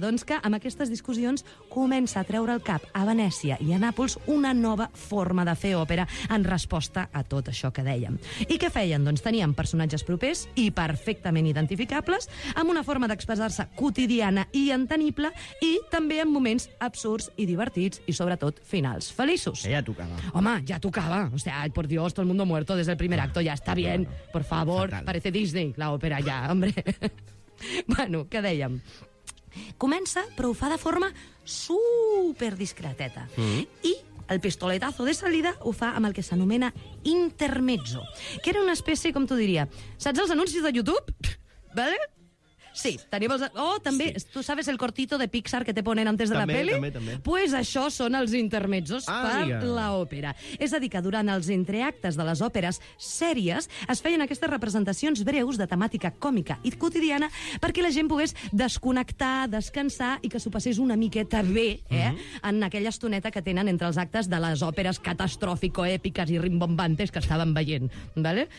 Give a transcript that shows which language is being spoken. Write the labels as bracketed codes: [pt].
[ca] Doncs que amb aquestes discussions comença a treure el cap a Venècia i a Nàpols una nova forma de fer òpera en resposta a tot això que dèiem. I què feien? Doncs tenien personatges propers i perfectament identificables, amb una forma d'expressar-se quotidiana i entenible i també amb moments absurds i divertits i, sobretot, finals feliços. Que ja tocava. Home, ja tocava. [es] O sea, ay, por Dios, todo el mundo muerto desde el primer acto, ya está bien, por favor. Fatal. Parece Disney, la òpera, ya, hombre. Bueno, [ca] què dèiem? Comença, però ho fa de forma superdiscreteta. I [es] el pistoletazo de salida [ca] ho fa amb el que s'anomena intermezzo, que era una espècie, com t'ho diria, saps els anuncis de YouTube? Vale? Sí, tenim els... Oh, també, sí. [es] Tu sabes el cortito de Pixar que te ponen antes de [ca] també, [es] la peli? [ca] També, també. Pues això són els intermezzos per l'òpera. És a dir, que durant els entreactes de les òperes sèries es feien aquestes representacions breus de temàtica còmica i quotidiana perquè la gent pogués desconnectar, descansar i que s'ho passés una miqueta bé, en aquella estoneta que tenen entre els actes de les òperes catastròfico-èpiques i rimbombantes que estaven veient, ¿vale?